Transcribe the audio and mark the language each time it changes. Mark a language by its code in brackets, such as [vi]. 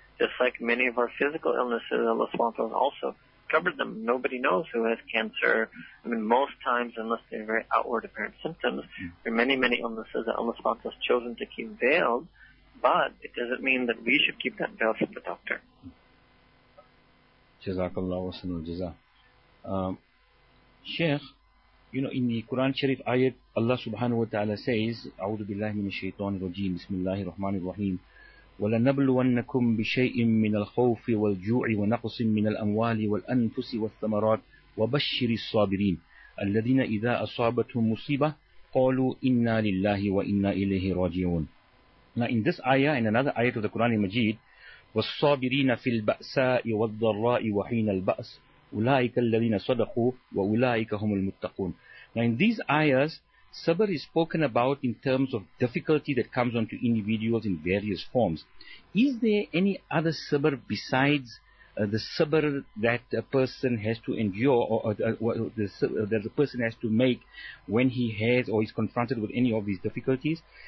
[en] Just like many of our physical illnesses, Allah subhanahu wa ta'ala also covered them. Nobody knows who has cancer. I mean, most times, unless they're very outward apparent symptoms, there are many, many illnesses that Allah subhanahu wa ta'ala has chosen to keep veiled, but it doesn't mean that we should keep that veil from the doctor. Jazakallah wa sallam al-jaza. Sheikh, you know, in the Quran Sharif ayat, Allah subhanahu wa ta'ala says, [ar] أعوذ بالله من الشيطان الرجيم بسم الله الرحمن الرحيم وَلَنَبْلُوَنَّكُمْ بِشَيْءٍ مِّنَ الْخَوْفِ وَالْجُوعِ وَنَقْصٍ مِّنَ الْأَمْوَالِ وَالْأَنفُسِ وَالثَّمَرَاتِ وَبَشِّرِ الصَّابِرِينَ الَّذِينَ إِذَا أَصَابَتْهُمْ مُصِيبَةٌ قَالُوا إِنَّا لِلَّهِ وَإِنَّا إِلَيْهِ رَاجِعُونَ. [en] Now in this ayah and another ayah of the Quran Majid, [ar] وَالصَّابِرِينَ فِي الْبَأْسَاءِ وَالضَّرَّاءِ وَحِينَ الْبَأْسِ أُولَٰئِكَ الَّذِينَ صَدَقُوا وَأُولَٰئِكَ هُمُ الْمُتَّقُونَ. [en] Now in these ayahs, sabr is spoken about in terms of difficulty that comes onto individuals in various forms. Is there any other sabr besides the sabr that a person has to endure or that the person has to make when he has or is confronted with any of these difficulties?